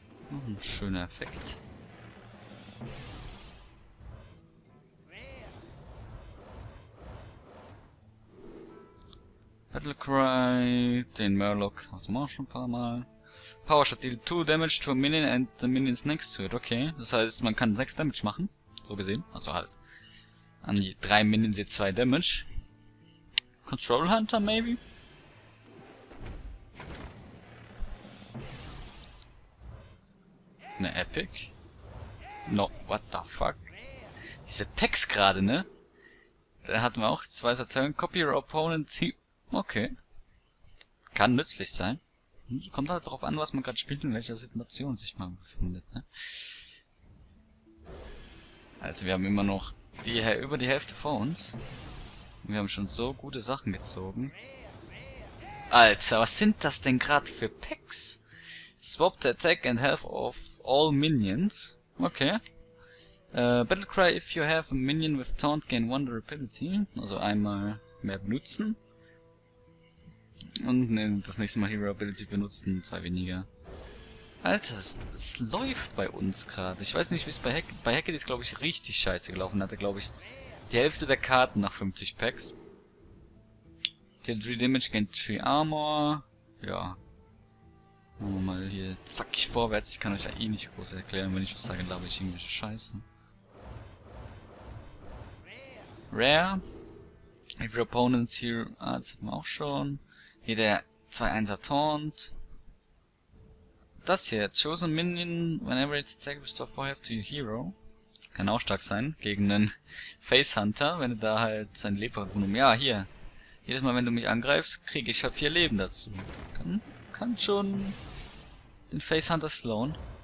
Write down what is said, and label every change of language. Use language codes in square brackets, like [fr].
[de] Noch ein schöner Effekt. Battlecry, den Murloc, hatten wir auch schon ein paar Mal. [en] Power Shot deal 2 damage to a minion and the minions next to it. [de] Okay, das heißt, man kann 6 Damage machen. So gesehen, also halt. An die 3 Minions sie 2 Damage. Control Hunter, [en] maybe? [de] Ne, Epic? [en] No, what the fuck? [de] Diese Packs gerade, ne? Da hatten wir auch 2 Saturn. [en] Copy your opponent. [de] Okay. Kann nützlich sein. Kommt halt darauf an, was man gerade spielt, in welcher Situation sich man befindet, ne? Also, wir haben immer noch über die Hälfte vor uns. Wir haben schon so gute Sachen gezogen. Alter, was sind das denn gerade für Packs? [en] Swap the attack and health of all minions. Okay. Battlecry, if you have a minion with taunt, gain 1 durability. [de] Also einmal mehr benutzen. Und ne, das nächste Mal Hero Ability benutzen, 2 weniger. Alter, es läuft bei uns gerade. Ich weiß nicht, wie es bei Hackett ist. Bei Hackett ist, glaube ich, richtig scheiße gelaufen. Hatte, glaube ich, die Hälfte der Karten nach 50 Packs. [en] Deal 3 Damage, gain 3 Armor. [de] Ja. Machen wir mal hier zackig vorwärts. Ich kann euch ja eh nicht groß erklären. Wenn ich was sage, laufe ich irgendwelche Scheiße. Rare. [en] If your opponents here. [de] Ah, das hatten wir auch schon. Hier der 2-1er Taunt. Das hier, [en] Chosen Minion, whenever it's attacked, restore 4 health to your hero. [de] Kann auch stark sein, gegen einen Facehunter, wenn du da halt sein Leben. Ja, hier. Jedes Mal, wenn du mich angreifst, kriege ich halt 4 Leben dazu. Kann schon den Facehunter slowen.